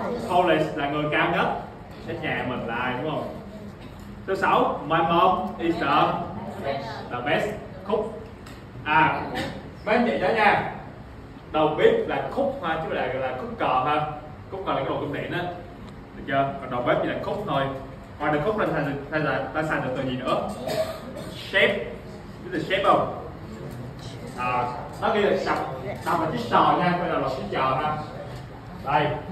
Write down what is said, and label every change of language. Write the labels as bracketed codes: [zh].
[vi] Tallest là người cao nhất. Cái nhà mình là ai, đúng không? Số 6, [en] my mom is the best cook. [vi] À, mấy anh chị đó nha. Đầu bếp là cook ha, chứ là gọi là cook cờ ha. Cook cờ là cái đồ cơm điện á. Được chưa? Còn đầu bếp thì là cook thôi. Ngoài được cook thành là ta sang được từ gì nữa? Chef. Biết là chef không? À, nó ghi là sập, sập là chiếc sò nha, coi là chiếc sò ha. Đây.